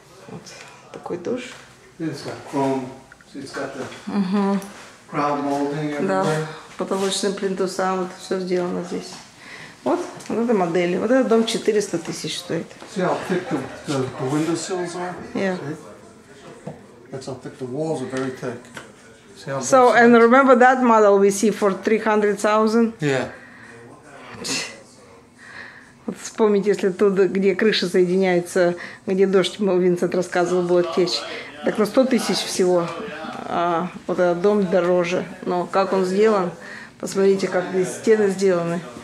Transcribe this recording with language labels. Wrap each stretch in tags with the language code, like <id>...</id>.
<ru>Вот такой душ.</ru> <en>It's got chrome. It's got the...</en> <ru>Да, потолочный плинтус, а вот все сделано здесь. Вот это модель. Вот этот дом 400 тысяч стоит.</ru> <en>See how thick the windowsills are? Yeah. See? That's how thick the walls are, very thick. So, and remember that model we see for 300,000? Yeah.</en> <ru>Вот вспомните, если тут, где крыша соединяется, где дождь, мы, Винсент рассказывал, будет течь. Так на 100 тысяч всего. А вот этот дом дороже. Но как он сделан? Посмотрите, как здесь стены сделаны.</ru>